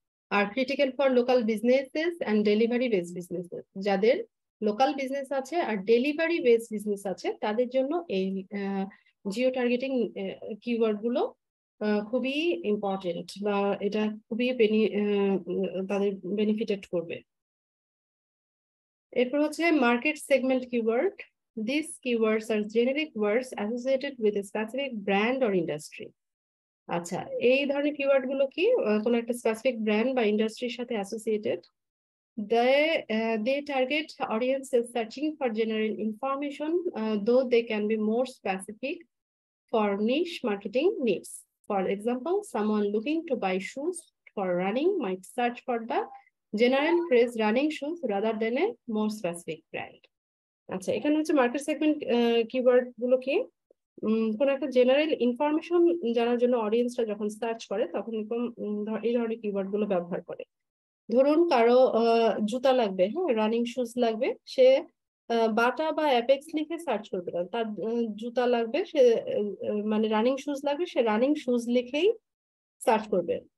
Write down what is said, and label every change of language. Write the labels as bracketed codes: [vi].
[en] আর critical for local businesses and delivery based businesses [bn] যাদের local business আছে আর delivery base business আছে তাদের জন্য এই জিও টার্গেটিং কিওয়ার্ড গুলো খুবই ইম্পর্টেন্ট বা এটা খুবই তাদের বেনিফিটেড করবে এরপর হচ্ছে market segment keyword [en] this keywords are generic words associated with specific brand or industry [bn] আচ্ছা এই ধরনের কিওয়ার্ড গুলো কি কোনো একটা স্পেসিফিক ব্র্যান্ড বা ইন্ডাস্ট্রির সাথে associated [en] They target audiences searching for general information, though they can be more specific for niche marketing needs. For example, someone looking to buy shoes for running might search for the general phrase running shoes rather than a more specific brand. [bn] আচ্ছা, এখানে হচ্ছে market segment keyword গুলো কি কোন একটা general information জানার জন্য অডিয়েন্সটা যখন সার্চ করে তখন এই ধরনের কিওয়ার্ড গুলো ব্যবহার করে। ধরুন কারো জুতা লাগবে, হ্যাঁ রানিং শুজ লাগবে, সে বাটা বা অ্যাপেক্স লিখে সার্চ করবে না, তার জুতা লাগবে, সে মানে রানিং শুজ লাগবে, সে রানিং শুজ লিখেই সার্চ করবে।